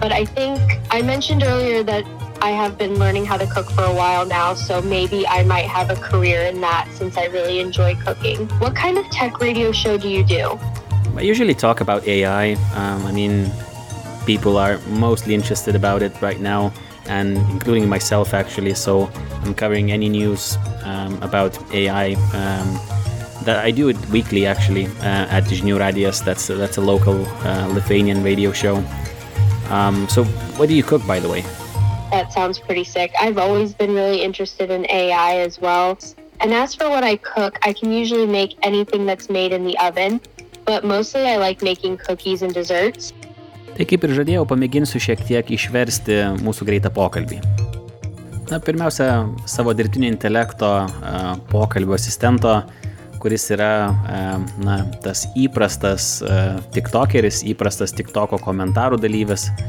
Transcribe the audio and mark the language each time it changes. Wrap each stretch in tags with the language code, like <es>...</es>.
<en>But I think I mentioned earlier that I have been learning how to cook for a while now, so maybe I might have a career in that since I really enjoy cooking. What kind of tech radio show do you do? I usually talk about AI. I mean, people are mostly interested about it right now, and including myself actually, so I'm covering any news about AI. That I do it weekly actually at Žinių Radijas. That's a local Lithuanian radio show. So what do you cook, by the way? That sounds pretty sick. I've always been really interested in AI as well. And as for what I cook, I can usually make anything that's made in the oven, but mostly I like making cookies and desserts.</en> <lt>Tai kaip ir žadėjau, pamėginsiu šiek tiek išversti mūsų greitą pokalbį. Na, pirmiausia, savo dirbtinio intelekto pokalbio asistento, kuris yra na, tas įprastas TikTokeris, įprastas TikToko komentarų dalyvis.</lt>